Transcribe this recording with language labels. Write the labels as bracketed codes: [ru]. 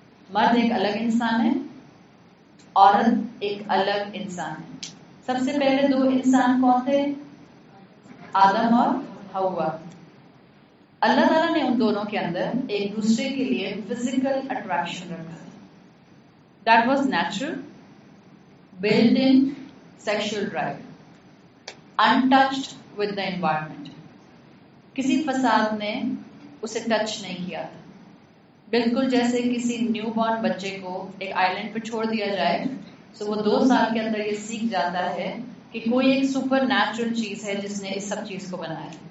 [ur] مرد ایک الگ انسان ہے, عورت ایک الگ انسان ہے. سب سے پہلے دو انسان کون تھے؟ آدم اور حوا. اللہ تعالیٰ نے ان دونوں کے اندر ایک دوسرے کے لیے [en] physical attraction [ur] رکھا. [en] That was natural, built-in sexual drive, untouched with the environment. [ur] کسی فساد نے اسے ٹچ نہیں کیا تھا. بالکل جیسے کسی [en] new born [ur] بچے کو ایک آئی لینڈ پہ چھوڑ دیا جائے تو وہ دو سال کے اندر یہ سیکھ جاتا ہے کہ کوئی ایک [en] supernatural [ur] چیز ہے جس نے اس سب چیز کو بنایا.